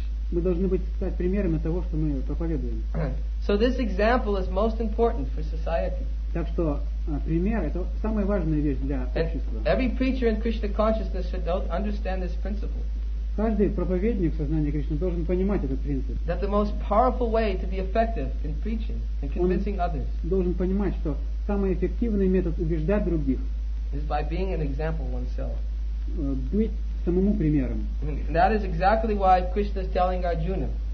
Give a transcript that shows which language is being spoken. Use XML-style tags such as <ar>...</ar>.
<ru>Мы должны стать примерами того, что мы проповедуем.</ru> <en>So this example is most important for society.</en> <ru>Так что пример это самая важная вещь для общества.</ru> <en>Every preacher in Krishna consciousness should understand this principle.</en> <ru>Каждый проповедник сознания Кришны должен понимать этот принцип.</ru> <en>That the most powerful way to be effective in preaching and convincing others.</en> <ru>Должен понимать, что самый эффективный метод убеждать других</ru> <en>is by being an example oneself.</en> <ru>Быть самому примером.</ru> <en>That is exactly why Krishna is telling Arjuna.</en>